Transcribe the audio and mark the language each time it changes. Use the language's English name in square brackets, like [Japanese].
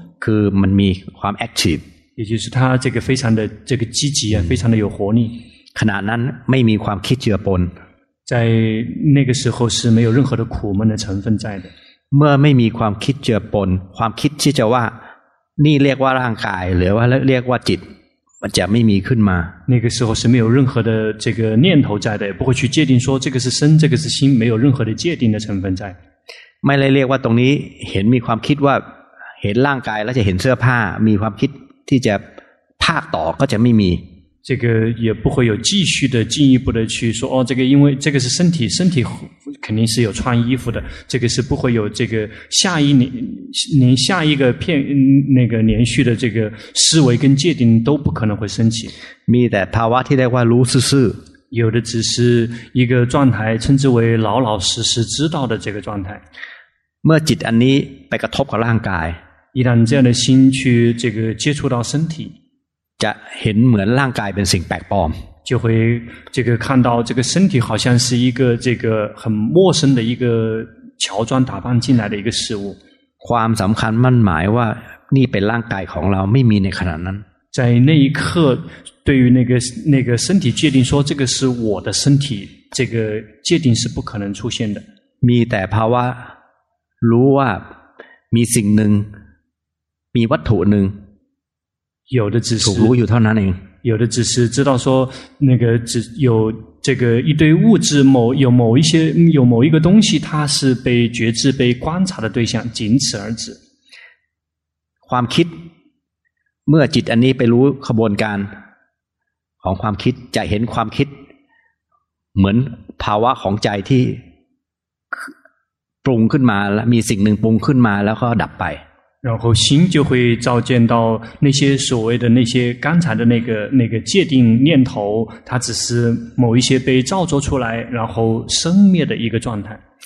[Thai] คือมันมีความ active [Chinese] 也就是他这个非常的这个积极啊非常的有活力 [Thai] ขณะนั้นไม่มีความคิดเจือปน [Chinese] 在那个时候是没有任何的苦闷的成分在的 [Thai] เมื่อไม่มีความคิดเจือปนความคิดที่จะว่านี่เรียกว่าร่างกายหรือว่าเรียกว่าจิตมันจะไม่มีขึ้นมา [Chinese] 那个时候是没有任何的这个念头在的，不会去界定说这个是身，这个是心，没有任何的界定的成分在。 [Thai] ไม่เลยเรียกว่าตรงนี้เห็นมีความคิดว่าเห็นร่างกายแล้วจะเห็นเสื้อผ้ามีความคิดที่จะภาคต่อก็จะไม่มี [Chinese] 这个也不会有继续的进一步的去说哦，这个因为这个是身体，身体肯定是有穿衣服的，这个是不会有这个下一连下一个片那个连续的这个思维跟界定都不可能会升起。 [Thai] มีแต่ภาวะที่เรียกว่ารู้สึก [Chinese] 有的只是一个状态，称之为老老实实知道的这个状态。 [Thai] เมื่อจิตอันนี้ไปกระทบกับร่างกาย [Chinese] 一旦这样的心去这个接触到身体。 [Thai] จะเห็นเหมือนร่างกายเป็นสิ่งแปลกปลอม [Chinese] 就会这个看到这个身体好像是一个这个很陌生的一个乔装打扮进来的一个事物 [Thai] ความสำคัญมั่นหมายว่านี่เป็นร่างกายของเราไม่มีในขณะนั้น [Chinese] 在那一刻对于那个身体界定说这个是我的身体这个界定是不可能出现的 [Thai] มีแต่ภาวะรู้ว่ามีสิ่งหนึ่งมีวัตถุหนึ่ง [Chinese] 有的只是 [Thai] รู้อยู่เท่านั้นเอง [Chinese] 有的只是知道说那个只有这个一堆物质某有某一些有某一个东西它是被觉知被观察的对象仅此而止 [Thai] ความคิดเมื่อจิตอันนี้ไปรู้ขบวนการของความคิดจะเห็นความคิดเหมือนภาวะของใจที่ปรุงขึ้นมาแล้วมีสิ่งหนึ่งปรุงขึ้นมาแล้วก็ดับไป [Chinese] 然后心就会照见到那些所谓的那些刚才的那个界定念头它只是某一些被造作出来然后生灭的一个状态